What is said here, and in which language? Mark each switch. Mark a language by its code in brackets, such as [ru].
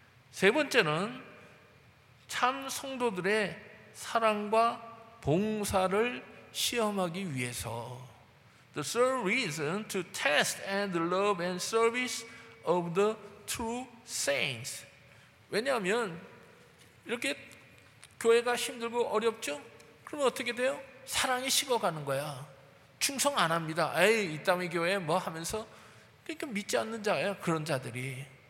[ko] 세 번째는 참 성도들의 사랑과 봉사를 시험하기 위해서. [en] The third reason to test and the love and service of the true saints. [ko] 왜냐하면 이렇게 교회가 힘들고 어렵죠? 그러면 어떻게 돼요? 사랑이 식어가는 거야. 충성 안 합니다. 에이, 이 땅의 교회 뭐 하면서 그러니까 믿지 않는 자야, 그런 자들이.